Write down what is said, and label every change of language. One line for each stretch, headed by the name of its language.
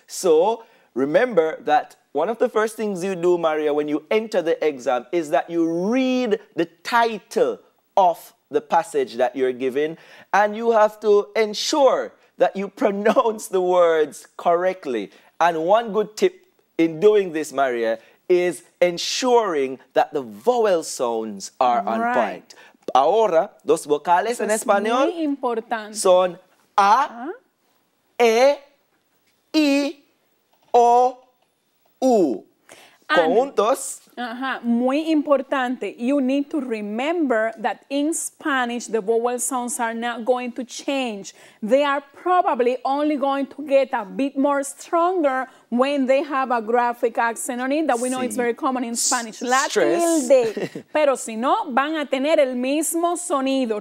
English: So remember that one of the first things you do, Maria, when you enter the exam is that you read the title of the passage that you're given, and you have to ensure that you pronounce the words correctly. And one good tip in doing this, Maria, is ensuring that the vowel sounds are on point.
Spanish: Ahora, los vocales en español son A, E, I, O, U. Juntos. Muy importante.
English: You need to remember that in Spanish, the vowel sounds are not going to change. They are probably only going to get a bit more stronger when they have a graphic accent on it that we know it's very common in Spanish. Stress.
Spanish: La tilde. Pero si no, van a tener el mismo sonido.